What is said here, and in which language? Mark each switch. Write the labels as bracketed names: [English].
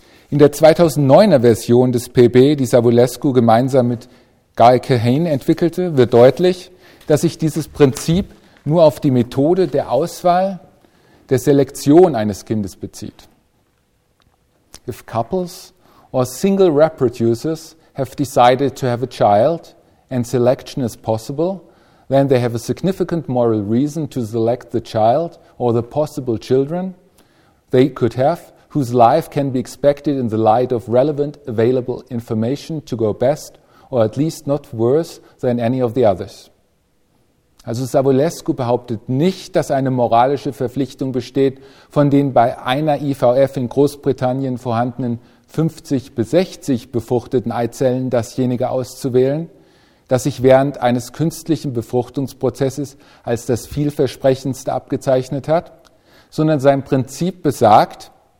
[German] In der 2009er Version des PB, die Savulescu gemeinsam mit Guy Kahane entwickelte, wird deutlich, dass sich dieses Prinzip nur auf die Methode der Auswahl, der Selektion eines Kindes bezieht. [English] If couples or single reproducers have decided to have a child and selection is possible, then they have a significant moral reason to select the child or the possible children they could have, whose life can be expected in the light of relevant available information to go best or at least not worse than any of the others. [German] Also Savulescu behauptet nicht, dass eine moralische Verpflichtung besteht, von den bei einer IVF in Großbritannien vorhandenen 50 bis 60 befruchteten Eizellen dasjenige auszuwählen, das sich während eines künstlichen Befruchtungsprozesses als das vielversprechendste abgezeichnet hat, sondern sein Prinzip besagt,